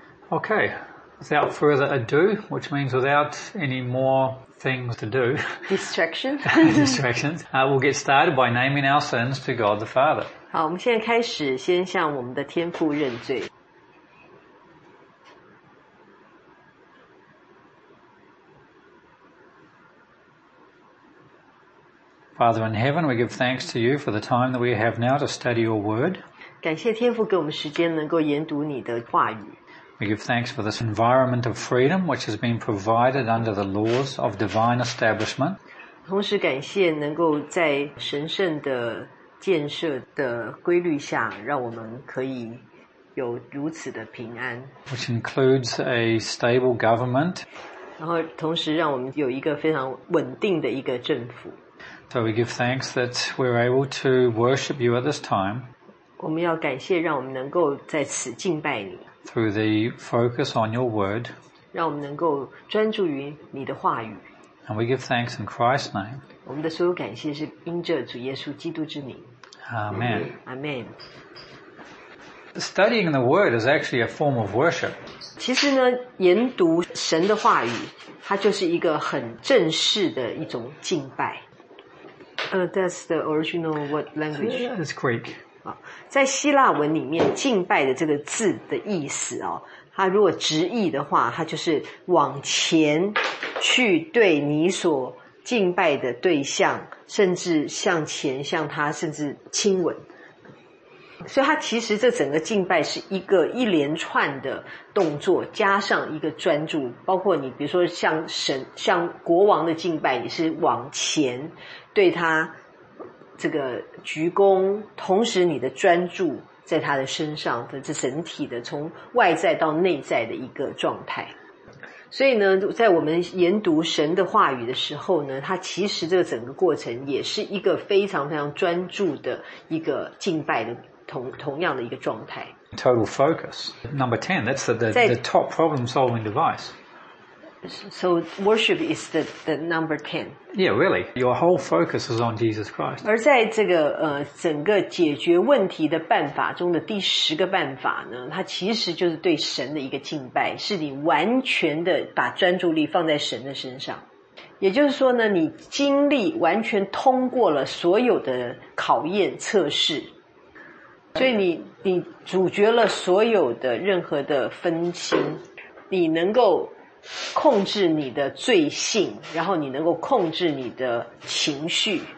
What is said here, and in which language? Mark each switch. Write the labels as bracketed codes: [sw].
[en] Okay, without further ado, which means without any more things to do. Distractions. We'll get started by naming our sins to God the Father. [zh] 好，我们现在开始先向我们的天父认罪。 [en] Father in heaven, we give thanks to you for the time that we have now to study your word. [zh] 感谢天父给我们时间能够研读你的话语。 [en] We give thanks for this environment of freedom which has been provided under the laws of divine establishment. [zh] 同时感谢能够在神圣的建设的规律下让我们可以有如此的平安。 [en] Which includes a stable government. [zh] 然后同时让我们有一个非常稳定的一个政府。 [en] So we give thanks that we're able to worship you at this time. [zh] 我们要感谢让我们能够在此敬拜你。 [en] Through the focus on your word. [zh] 让我们能够专注于你的话语。 [en] And we give thanks in Christ's name. [zh] 我们的所有感谢是因着主耶稣基督之名。 [en] Amen. Amen. Studying the word is actually a form of worship. [zh] 其实呢，研读神的话语，它就是一个很正式的一种敬拜。 [en] That's the original what language? It's Greek. [zh] 在希腊文里面，敬拜的这个字的意思哦，它如果直译的话，它就是往前去对你所敬拜的对象，甚至向前向他，甚至亲吻。所以它其实这整个敬拜是一个一连串的动作，加上一个专注，包括你比如说像神、像国王的敬拜，你是往前对他这个鞠躬，同时你的专注在他的身上的这整体的从外在到内在的一个状态。所以呢，在我们研读神的话语的时候呢，它其实这个整个过程也是一个非常非常专注的一个敬拜的同样的一个状态。 [en] Total focus. Number 10, that's the top problem solving device. So worship is the number 10. Yeah, really. Your whole focus is on Jesus Christ. [zh] 而在这个整个解决问题的办法中的第十个办法呢，它其实就是对神的一个敬拜，是你完全的把专注力放在神的身上。也就是说呢，你经历完全通过了所有的考验测试，所以你阻绝了所有的任何的分心，你能够控制你的罪性，然后你能够控制你的情绪。